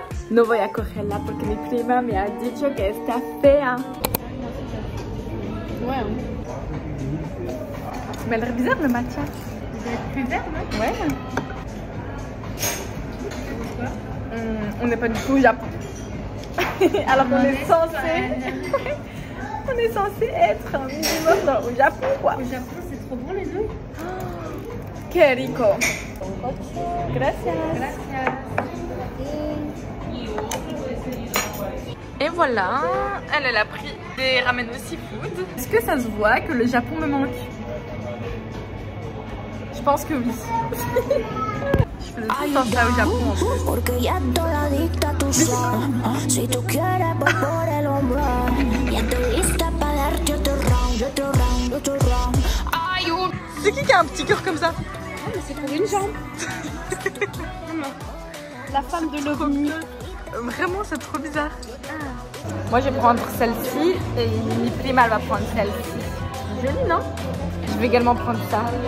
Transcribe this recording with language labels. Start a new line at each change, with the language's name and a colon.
Spanish: No voy a cogerla porque mi prima me ha dicho que está fea.
French: Ouais. Mais elle est bizarre le matcha. Il est plus vert, non? Ouais. Mmh, on n'est pas du tout Japon. Alors qu'on est censé. On est censé être un minimum au Japon, quoi. Au Japon, c'est trop bon les œufs.
Spanish: Que rico. Ok. Gracias. Gracias.
French: Et voilà, elle a pris des ramen au seafood. Est-ce que ça se voit que le Japon me manque? Je pense que oui.
Spanish: Porque ya estoy adicta a tu son. Si tú quieres, voy por el hombro. Ya estoy lista para darte otro round, otro round, otro round. Ay, un.
French: ¿De qui qui a un petit cœur comme ça? Ah, mais c'est pour une jambe. La femme de l'OVNI. Vraiment, c'est trop bizarre. Moi, je vais prendre celle-ci. Et
Spanish: mi prima,
French: elle va prendre celle-ci. Jolie, non? Je vais également prendre ça.